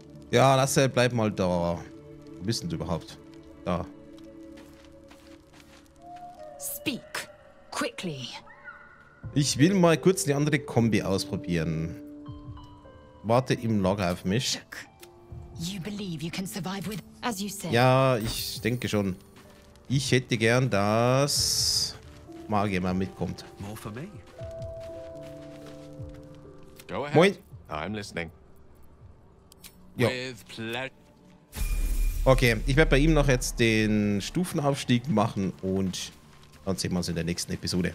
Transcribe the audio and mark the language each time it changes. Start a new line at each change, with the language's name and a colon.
German: Ja, lasse, bleib mal da. Wo bist du überhaupt? Da.
English: Speak quickly.
German: Ich will mal kurz die andere Kombi ausprobieren. Warte im Lager auf mich.
English: You believe you can survive with, as you said.
German: Ja, ich denke schon. Ich hätte gern, dass Magier mal mitkommt.
English: More for me. Go ahead. Moin. I'm listening.
German: Jo. Okay, ich werde bei ihm noch jetzt den Stufenaufstieg machen und dann sehen wir uns in der nächsten Episode.